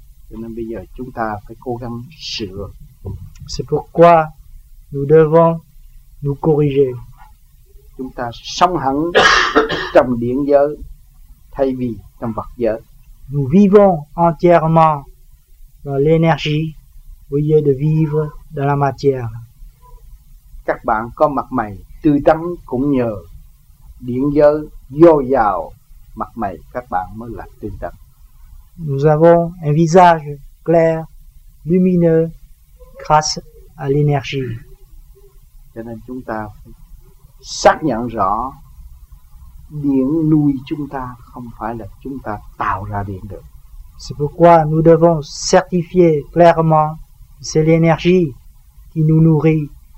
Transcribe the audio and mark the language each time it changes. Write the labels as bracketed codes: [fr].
[vi] Cho nên bây giờ chúng ta phải cố gắng sửa. [fr] C'est pourquoi nous devons nous corriger. [vi] Chúng ta sống hẳn trong điển giới thay vì trong vật giới. [fr] Nous vivons entièrement dans l'énergie au lieu de vivre dans la matière. [vi] Các bạn có mặt mày tươi tắn cũng nhờ điển giới dồi dào mặt mày các bạn mới là tươi tắn. [fr] Nous avons un visage clair, lumineux, grâce à l'énergie. [vi] Cho nên chúng ta xác nhận rõ điện nuôi chúng ta không phải là chúng ta tạo ra điện được. [fr] C'est pourquoi nous devons certifier clairement que c'est l'énergie qui nous nourrit.